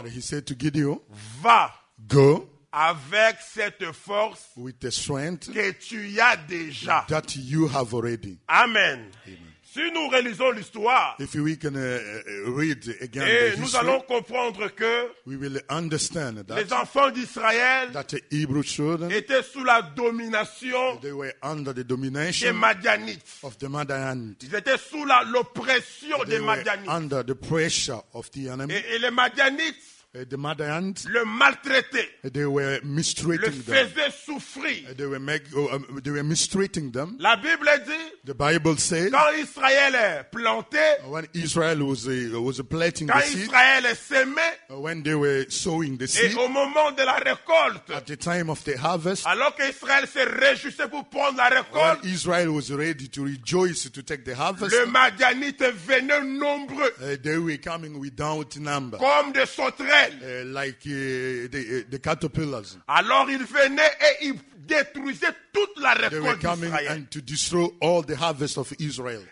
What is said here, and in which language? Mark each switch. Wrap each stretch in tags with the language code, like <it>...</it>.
<en>and he said to Gideon,</en> <fr>va.</fr> <en>Go.</en> <fr>Avec cette force,</fr> <en>with the strength</en> <fr>que tu as déjà.</fr> <en>That you have already.</en> <fr>Amen. Amen. Si nous relisons l'histoire,</fr> <en>if we can read again</en> <fr>et</fr> <en>the history,</en> <fr>nous allons comprendre que</fr> <en>we will understand that</en> <fr>les enfants d'Israël</fr> <en>that the Hebrew children</en> <fr>étaient sous la domination,</fr> <en>they were under the domination</en> <fr>des Madianites.</fr> <en>Of the Madianites.</en> <fr>Ils étaient sous l'oppression des Madianites.</fr> <en>Under the pressure of the enemy.</en> <fr>Et les Madianites,</fr> <en>the Madians,</en> <fr>le maltraiter,</fr> <en>they were mistreating</en> <fr>le faisaient souffrir.</fr> <en>They were mistreating them.</en> <fr>La Bible dit,</fr> <en>the Bible says,</en> <fr>quand Israël est planté,</fr> <en>when Israel was planting</en> <fr>quand</fr> <en>the seed,</en> <fr>Israël est semé,</fr> <en>when they were sowing the seed,</en> <fr>et au moment de la récolte,</fr> <en>at the time of the harvest,</en> <fr>alors que Israël se réjouissait pour prendre la récolte,</fr> <en>when Israel was ready to rejoice to take the harvest,</en> <fr>le Madianite venait nombreux,</fr> <en>they were coming without number,</en> <fr>comme des sauterelles. aile.</fr> <en>Like the caterpillars.</en> <fr>Alors ils venaient et ils détruisaient toute la récolte d'Israël.</fr> <en>They were coming and to destroy all the harvest of Israel.</en>